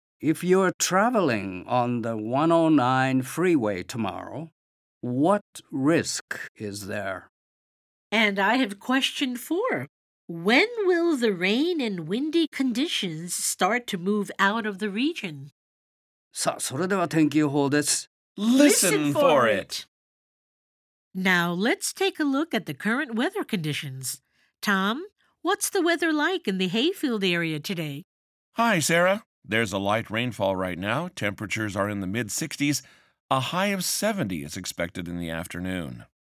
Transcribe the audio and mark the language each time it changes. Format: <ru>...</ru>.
<en>If you're traveling on the 109 freeway tomorrow, what risk is there? And I have question 4. When will the rain and windy conditions start to move out of the region?</en> <ja>さあ、それでは天気予報です。</ja> <en>Listen for it! Now, let's take a look at the current weather conditions. Tom, what's the weather like in the hayfield area today? Hi, Sarah. There's a light rainfall right now. Temperatures are in the mid-60s. A high of 70 is expected in the afternoon.</en>